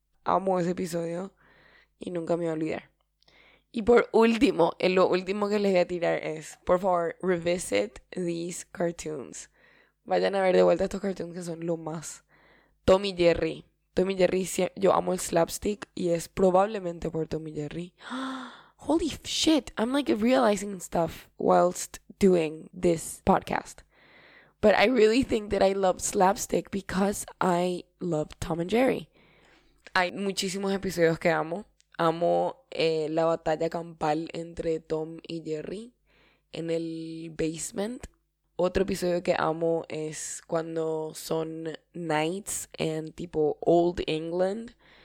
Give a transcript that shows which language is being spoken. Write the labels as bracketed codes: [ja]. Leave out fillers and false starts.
[es] Amo ese episodio. Y nunca me voy a olvidar. Y por último, lo último que les voy a tirar es, por favor, [en] revisit these cartoons. [es] Vayan a ver de vuelta estos cartoons que son lo más. Tom y Jerry. Tom y Jerry, yo amo el slapstick y es probablemente por Tom y Jerry. [en] Holy shit, I'm like realizing stuff whilst doing this podcast. But I really think that I love slapstick because I love Tom and Jerry. [es] Hay muchísimos episodios que amo. Amo la batalla campal entre Tom y Jerry en el basement. Otro episodio que amo es cuando son knights en tipo Old England.